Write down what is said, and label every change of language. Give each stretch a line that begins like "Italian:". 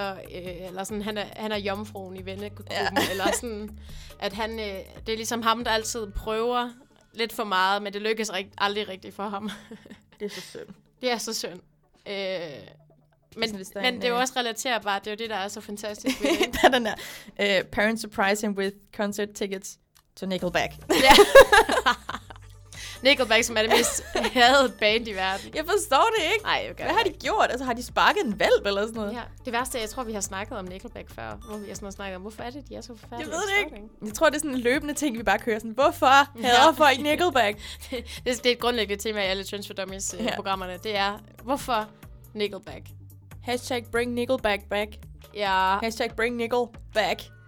Danish: eller sådan, han er jomfruen i vennegruppen, eller sådan, at han, det er ligesom ham, der altid prøver lidt for meget, men det lykkes aldrig rigtigt for ham. Det er så synd. Det er så synd. Men det er jo også relaterbart, det er jo det, der er så fantastisk. Der er den der,
English: parents surprise him with concert tickets to Nickelback.
Danish: Nickelback, som er det mest hadede band i verden. Jeg forstår det ikke. Nej, okay. Hvad har de gjort? Altså, har de sparket en valp eller sådan noget? Ja, det værste er, jeg tror, vi har snakket om Nickelback før. Hvor vi har sådan snakket om, hvorfor er det, de er så forfærdelige? Jeg ved det ikke. Jeg tror, det er sådan en løbende ting, vi bare kører sådan. Hvorfor hader folk Nickelback? Det er et grundlæggende tema i alle Trends for Dummies programmerne. Det er, hvorfor Nickelback?
English: Hashtag bring Nickelback back.
Danish: Ja.
English: Hashtag bring Nickel back.